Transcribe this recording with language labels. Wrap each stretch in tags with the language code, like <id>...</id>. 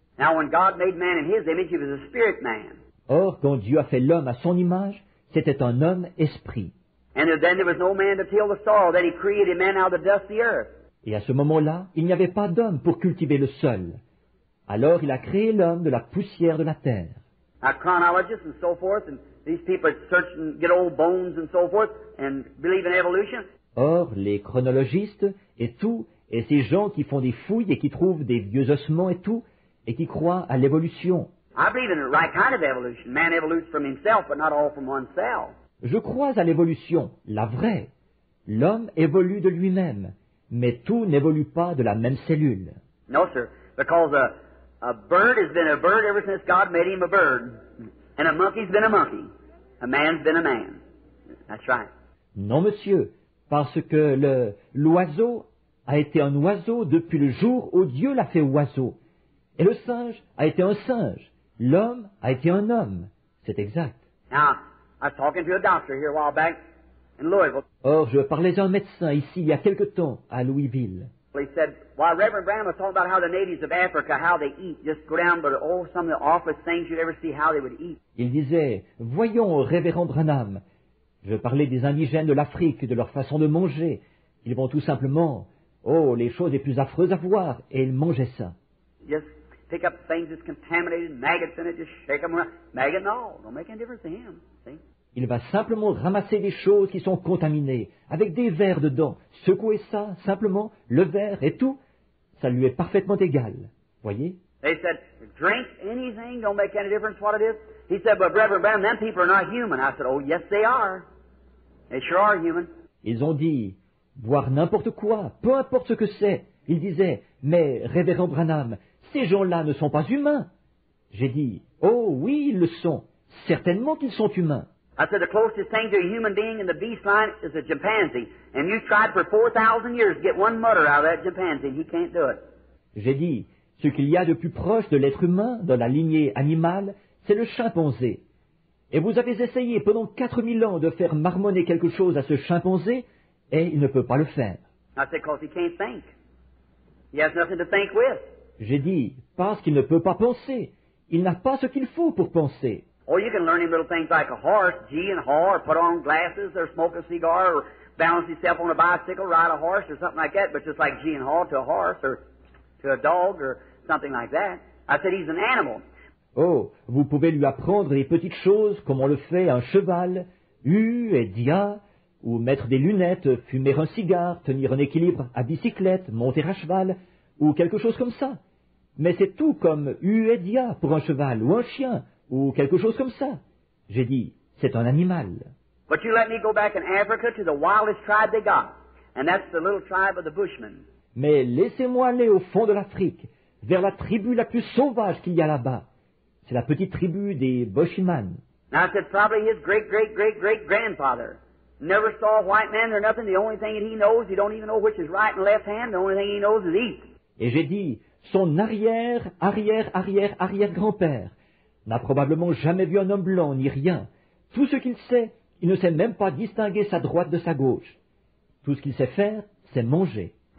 <en>Now, when God made man in his image, he was a spirit man.</en> <fr>Or, quand Dieu a fait l'homme à son image, c'était un homme esprit.</fr> <en>And then there was no man to till the soil, then he created man out of the dust of the earth.</en> <fr>Et à ce moment-là, il n'y avait pas d'homme pour cultiver le sol. Alors, il a créé l'homme de la poussière de la terre.</fr> <en>Now, chronologists and so forth, and these people search and get old bones and so forth, and believe in evolution.</en> <fr>Or, les chronologistes et tout, et ces gens qui font des fouilles et qui trouvent des vieux ossements et tout, et qui croient à l'évolution.</fr> <en>I believe in the right kind of evolution. Man evolutes from himself, but not all from one cell.</en> <fr>Je crois à l'évolution, la vraie. L'homme évolue de lui-même, mais tout n'évolue pas de la même cellule.</fr> <en>No, sir, because a bird has been a bird ever since God made him a bird, and a monkey's been a monkey. A man's been a man. That's right.</en> <fr>Non, monsieur, parce que l'oiseau a été un oiseau depuis le jour où Dieu l'a fait oiseau, et le singe a été un singe. L'homme a été un homme. C'est exact.</fr> <en>Now, I was talking to a doctor here a while back in Louisville.</en> <fr>Or, je parlais à un médecin ici il y a quelque temps à Louisville.</fr> <en>He said, while Reverend Branham was talking about how the natives of Africa, how they eat, just go down, but oh, some of the awful things you'd ever see, how they would eat.</en> <fr>Il disait, voyons, Révérend Branham, je parlais des indigènes de l'Afrique, de leur façon de manger. Ils vont tout simplement, oh, les choses les plus affreuses à voir, et ils mangeaient ça.</fr> <en>Just pick up things that's contaminated, maggots in it, just shake them around. Maggot and all, don't make any difference to him.</en> <fr>Il va simplement ramasser des choses qui sont contaminées, avec des vers dedans, secouer ça, simplement, le verre et tout, ça lui est parfaitement égal. Voyez?</fr> <en>They said, drink anything, don't make any difference what it is. He said, but Reverend Branham, them people are not human. I said, oh yes they are. They sure are human.</en> <fr>Ils ont dit, boire n'importe quoi, peu importe ce que c'est. Ils disaient, mais Révérend Branham, ces gens-là ne sont pas humains. J'ai dit, oh oui, ils le sont. Certainement qu'ils sont humains.</fr> <en>I said the closest thing to a human being in the beast line is a chimpanzee, and you tried for 4,000 years to get one mutter out of that chimpanzee. He can't do it.</en> <fr>J'ai dit, ce qu'il y a de plus proche de l'être humain dans la lignée animale, c'est le chimpanzé. Et vous avez essayé pendant 4000 ans de faire marmonner quelque chose à ce chimpanzé, et il ne peut pas le faire.</fr> <en>I said, because he can't think. He has nothing to think with.</en> <fr>J'ai dit, parce qu'il ne peut pas penser. Il n'a pas ce qu'il faut pour penser.</fr> <en>Or you can learn him little things like a horse, gee and haw, or put on glasses, or smoke a cigar, or balance himself on a bicycle, ride a horse, or something like that, but just like gee and haw to a horse, or to a dog, or something like that. I said, he's an animal.</en> <fr>Oh, vous pouvez lui apprendre les petites choses comme on le fait à un cheval, hu et dia, ou mettre des lunettes, fumer un cigare, tenir un équilibre à bicyclette, monter à cheval, ou quelque chose comme ça. Mais c'est tout comme hu et dia pour un cheval ou un chien. Ou quelque chose comme ça. J'ai dit, c'est un animal.</fr> <en>But you let me go back in Africa to the wildest tribe they got, and that's the little tribe of the Bushmen.</en> <fr>Mais laissez-moi aller au fond de l'Afrique, vers la tribu la plus sauvage qu'il y a là-bas. C'est la petite tribu des Bushmen.</fr> <en>Now I said, probably his great great great great grandfather never saw a white man or nothing. The only thing that he knows, he don't even know which is right and left hand. The only thing he knows is eat.</en> <fr>Et j'ai dit, son arrière grand-père n'a probablement jamais vu un homme blanc, ni rien. Tout ce qu'il sait, il ne sait même pas distinguer sa droite de sa gauche. Tout ce qu'il sait faire, c'est manger.</fr>